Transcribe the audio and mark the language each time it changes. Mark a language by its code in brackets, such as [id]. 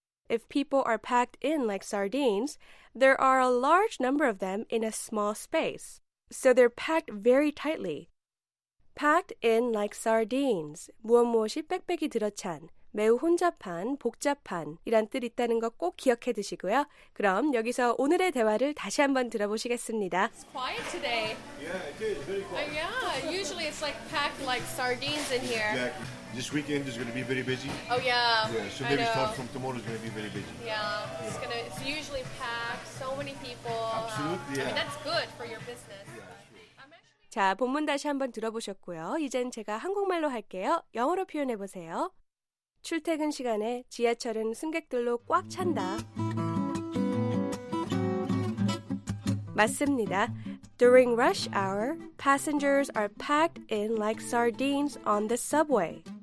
[en] If people are packed in like sardines, there are a large number of them in a small space. So they're packed very tightly. Packed in like sardines. [ko] 무엇무엇이 빽빽이 들어찬. 매우 혼잡한, 복잡한 이란 뜻 있다는 거 꼭 기억해 두시고요. 그럼 여기서 오늘의 대화를 다시 한번 들어보시겠습니다. [en] It's quiet today. Yeah, it is. Very quiet. Yeah, usually it's like packed like sardines in here. Exactly. This weekend is going to be very busy. Oh, yeah. Yeah, so maybe start from tomorrow is going to be very busy. Yeah, it's, gonna, it's usually packed, so many people. Absolutely, yeah. I mean, that's good for your business. Yeah, sure. [ko] 자, 본문 다시 한번 들어보셨고요. 이젠 제가 한국말로 할게요. 영어로 표현해 보세요. 출퇴근 시간에 지하철은 승객들로 꽉 찬다. 맞습니다. [en] During rush hour, passengers are packed in like sardines on the subway.